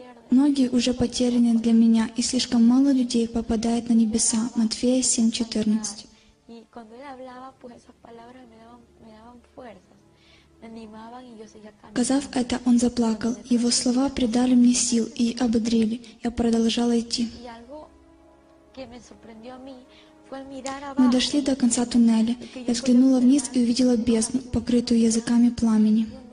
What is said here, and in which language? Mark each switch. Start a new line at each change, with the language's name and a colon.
Russian: Многие уже потеряны для меня, и слишком мало людей попадает на небеса. Матфея 7:14.
Spanish: Y cuando él hablaba, pues esas palabras me daban fuerzas, me animaban y yo seguía caminando.
Russian: Сказав это, он заплакал. Его слова придали мне сил и ободрили. Я продолжала идти.
Spanish: Y algo que me sorprendió a mí fue mirar abajo.
Russian: Мы дошли до конца туннеля. Я взглянула вниз и увидела бездну, покрытую языками пламени.